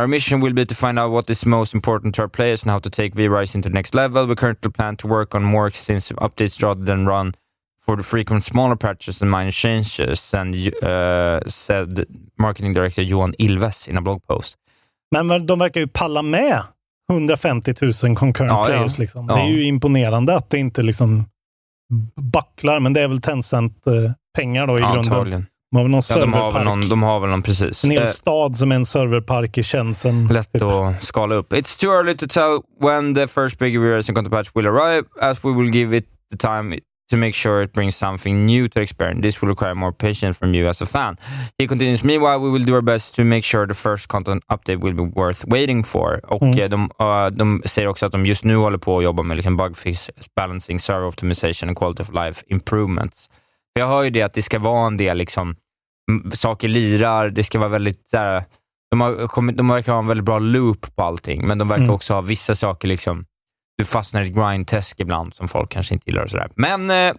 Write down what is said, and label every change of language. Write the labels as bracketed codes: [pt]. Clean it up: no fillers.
[en] Our mission will be to find out what is most important to our players and how to take V-Rising to the next level. We currently plan to work on more extensive updates rather than run for the frequent smaller patches and minor changes, and said marketing director Johan Ilves in a blog post. [sv] Men de verkar ju palla med 150 000 concurrent players. Liksom. Ja. Det är ju imponerande att det inte liksom backlar, men det är väl Tencent pengar då i grunden. De har väl någon serverpark. De har väl någon, precis. En hel stad som är en serverpark i Shenzhen. Lätt typ att skala upp. [en] It's too early to tell when the first big V-Rising content patch will arrive, as we will give it the time to make sure it brings something new to experience. This will require more patience from you as a fan. He continues, meanwhile, we will do our best to make sure the first content update will be worth waiting for. [sv] Och de säger också att de just nu håller på att jobba med liksom bug fix, balancing, server optimization and quality of life improvements. Jag hör ju det, att det ska vara en del liksom, saker lirar, det ska vara väldigt såhär, de verkar ha en väldigt bra loop på allting, men de verkar också ha vissa saker liksom, du fastnar i ett grindtask ibland som folk kanske inte gillar och sådär, men